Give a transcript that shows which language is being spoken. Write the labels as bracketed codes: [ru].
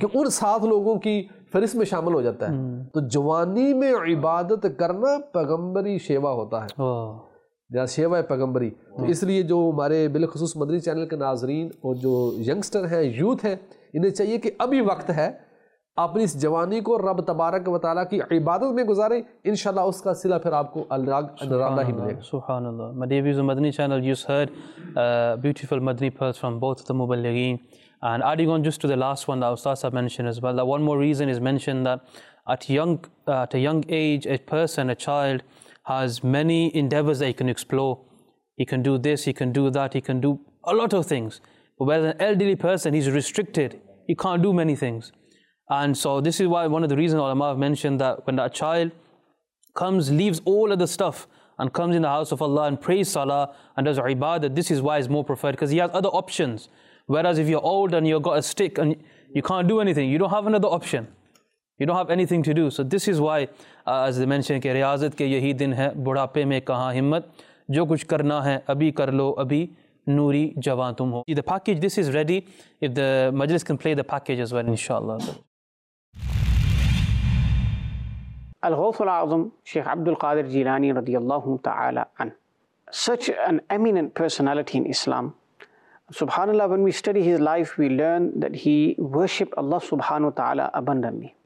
[ur] کہ ان 7 لوگوں کی فہرست میں شامل ہو جاتا ہے تو جوانی میں عبادت کرنا پیغمبری شیوا ہوتا ہے سیوا ہے پیغمبری تو اس لیے جو ہمارے بالخصوص مدنی چینل کے ناظرین اور جو ینگسٹر ہیں یوتھ ہیں انہیں چاہیے کہ ابھی وقت ہے اپنی اس جوانی کو رب تبارک و تعالیٰ کی عبادت میں گزاریں انشاءاللہ اس کا صلہ پھر آپ کو اللہ ہی ملے گا [en] سبحان اللہ My dear viewers of Madani channel you heard beautiful Madani pearls from both the مبلغین and adding on just to the last one that Ustaz has mentioned as well that one more reason is mentioned that at a young age a person a child has many endeavors that he can explore. He can do this, he can do that, he can do a lot of things. But whereas an elderly person, he's restricted. He can't do many things. And so this is why one of the reasons Ulama have mentioned that when a child comes, leaves all of the stuff and comes in the house of Allah and prays salah and does ibadah, this is why it's more preferred because he has other options. Whereas if you're old and you've got a stick and you can't do anything, you don't have another option. You don't have anything to do. So this is why, as they mentioned, [ur] کہ ریاضت کے یہی دن ہے بڑھاپے میں کہاں ہمت جو کچھ کرنا ہے ابھی کر لو ابھی نوری جوان تم ہو [en] The package, this is ready. If the majlis can play the package as well, inshallah. الغوث العظم شیخ Abdul Qadir Jilani رضی اللہ تعالی عنہ Such an eminent personality in Islam, SubhanAllah, when we study his life, we learn that he worshipped Allah subhanahu wa ta'ala abundantly.